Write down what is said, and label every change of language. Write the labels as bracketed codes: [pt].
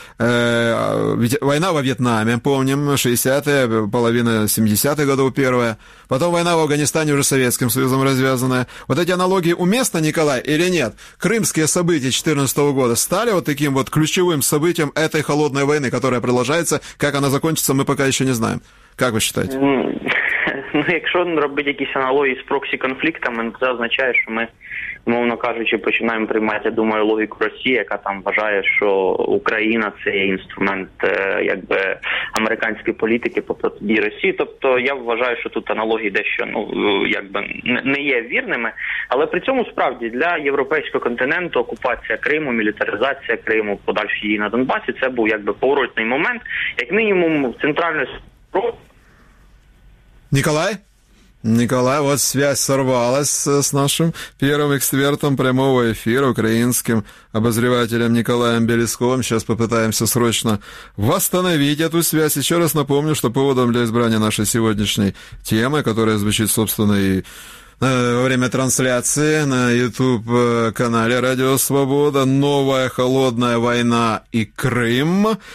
[ru] Война во Вьетнаме, помним, 60-е, половина 70-х годов первая. Потом война в Афганистане уже Советским Союзом развязанная. Вот эти аналогии уместны, Николай, или нет? Крымские события 14-го года стали вот таким вот ключевым событием этой холодной войны, которая продолжается. Как она закончится, мы пока еще не знаем. Как вы считаете? [uk] Ну, якщо робити якісь аналогії з проксі-конфліктами, це означає, що ми, умовно кажучи, починаємо приймати, я думаю, логіку Росії, яка там вважає, що Україна – це інструмент якби американської політики проти Росії. Тобто я вважаю, що тут аналогії дещо якби не є вірними. Але при цьому, справді, для європейського континенту окупація Криму, мілітаризація Криму, подальші дії на Донбасі – це був якби поворотний момент. Як мінімум, центральний... [ru] Николай? Николай, вот связь сорвалась с нашим первым экспертом прямого эфира, украинским обозревателем Николаем Белесковым. Сейчас попытаемся срочно восстановить эту связь. Еще раз напомню, что поводом для избрания нашей сегодняшней темы, которая звучит, собственно, и во время трансляции на YouTube-канале «Радио Свобода», «Новая холодная война и Крым».